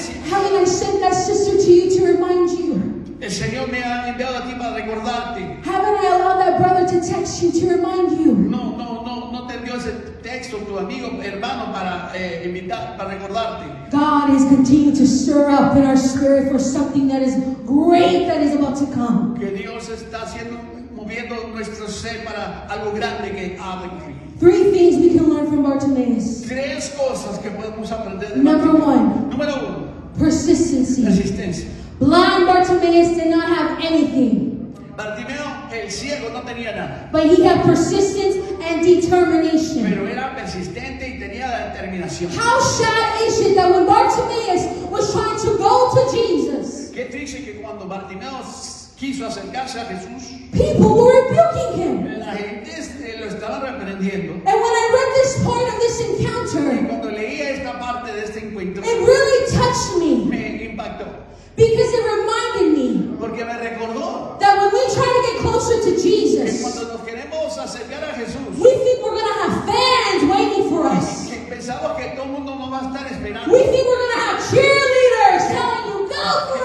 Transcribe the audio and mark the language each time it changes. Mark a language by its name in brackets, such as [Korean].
[English] Haven't I sent that sister to you to remind you? [Spanish] El Señor me ha enviado a ti para recordarte. [English] Haven't I allowed that brother to text you to remind you? [Spanish] No te envió ese texto tu amigo hermano para invitar para recordarte. [English] God is continuing to stir up in our spirit for something that is great that is about to come. [Spanish] Que Dios está haciendo moviendo nuestro ser para algo grande que ha de venir. [English] Three things we can learn from Bartimaeus. [Spanish] Tres cosas que podemos aprender de [English] Number [Spanish] Bartimaeus. [English] One. [Spanish] Número uno. [English] Persistency. [Spanish] Persistencia. [English] Blind Bartimaeus did not have anything. [Spanish] Bartimeo, el ciego, no tenía nada. [English] But he had persistence and determination. [Spanish] Pero era persistente y tenía determinación. [English] How sad is it that when Bartimaeus was trying to go to Jesus, [Spanish] Qué triste que cuando Bartimaeus quiso acercarse a Jesús, [English] people were rebuking him. [Spanish] La gente lo estaba reprendiendo. [English] And when I read this part of this encounter, [Spanish] y cuando leía esta parte de este encuentro, [English] it really touched me. [Spanish] Me impactó. [English] Because it reminded me, [Spanish] porque me recordó, [English] that when we try to get closer to Jesus, [Spanish] que cuando nos queremos acercar a Jesús, [English] we think we're going to have fans waiting for us. [Spanish] Que pensamos que todo mundo no va a estar esperando. [English] We think we're going to have cheerleaders telling you, go for